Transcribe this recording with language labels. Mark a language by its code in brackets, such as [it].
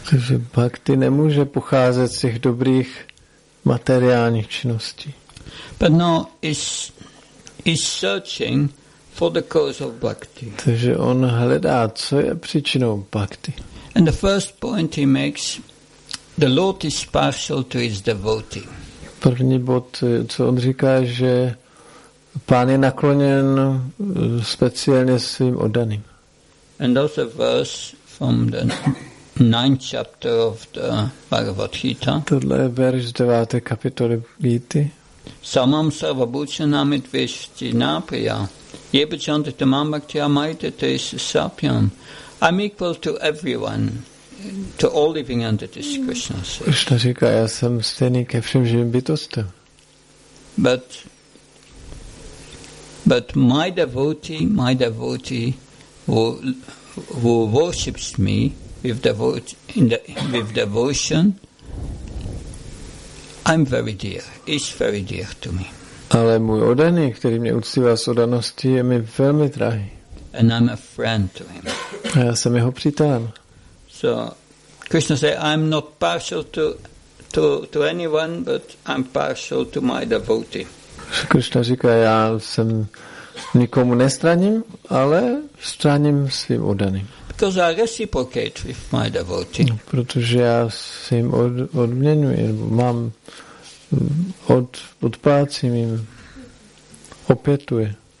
[cs] Takže bhakti nemůže pocházet z těch dobrých materiálních činností. [en] But now is searching for the cause of bhakti. [cs] Takže on hledá, co je příčinou bhakti. [en] And the first point he makes, the Lord is partial to his devotee. [cs] První bod, co on říká, že pán je nakloněn speciálně svým oddaným. [en] And that's a verse from the 9th chapter of the Bhagavad Gita. [cs] Tohle je verš 9. kapitoly Gity. [sa] Samam sarvabhutanam idvishtinapriya yebhachantitamam bhaktiyamaitetesisapyam. [en] I'm equal to everyone, to all living entities, Krishna says. [cs] Krishna říká, já jsem stejný ke všem živým bytostem. [en] But my devotee who worships me with devotion, I'm very dear, is very dear to me. [cs] Ale můj oddaný, který mě uctívá s oddaností, je mi velmi drahý. [en] And I'm a friend to him. [cs] A já jsem jeho přítelem. [en] So Krishna says, I'm not partial to anyone, but I'm partial to my devotee. [cs] Krishna říká, já jsem nikomu nestraním, ale straním svým oddaným. [en] Because I reciprocate with my devotee. No, [cs] protože já se jim odměňuji, mám odplácím jim, opětuji.